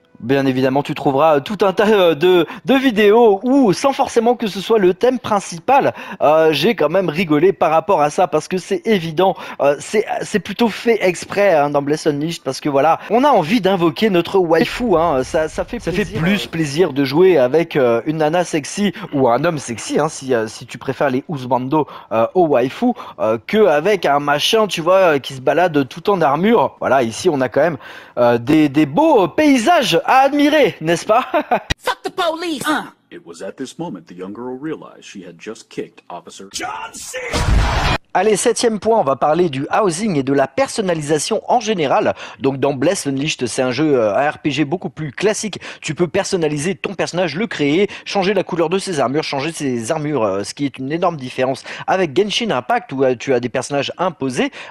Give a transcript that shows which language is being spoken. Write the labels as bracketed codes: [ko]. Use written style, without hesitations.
[fr] Bien évidemment, tu trouveras tout un tas de vidéos où, sans forcément que ce soit le thème principal, j'ai quand même rigolé par rapport à ça, parce que c'est évident, c'est plutôt fait exprès, hein, dans Bless Unleashed, parce que voilà, on a envie d'invoquer notre waifu, hein, ça fait plus plaisir de jouer avec une nana sexy, ou un homme sexy, hein, si tu préfères les husbando au waifu, qu'avec un machin, tu vois, qui se balade tout en armure. Voilà, ici on a quand même des beaux paysages à admirer, n'est-ce pas? [en] Fuck the police. It was at this moment the young girl realized she had just kicked Officer John C. [fr] Allez, septième point, on va parler du housing et de la personnalisation en général. Donc dans Bless Unleashed, c'est un jeu RPG beaucoup plus classique. Tu peux personnaliser ton personnage, le créer, changer la couleur de ses armures, changer ses armures, ce qui est une énorme différence avec Genshin Impact où tu as des personnages imposés.